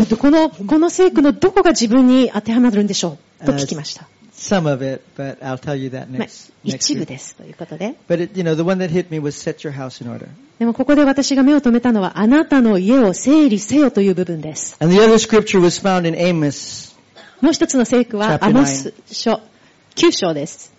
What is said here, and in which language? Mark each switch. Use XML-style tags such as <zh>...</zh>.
<ja>この聖句のどこが自分に当てはまるんでしょうと聞きました。</ja> <en>Some of it, but I'll tell you that next</en> <ja>一部ですということで。</ja> <en>But it, you know, the one that hit me was set your house in order.</en> <ja>でもここで私が目を留めたのはあなたの家を整理せよという部分です。</ja> <en>And the other scripture was found in Amos.</en> <ja>もう一つの聖句はアモス書9章です。</ja>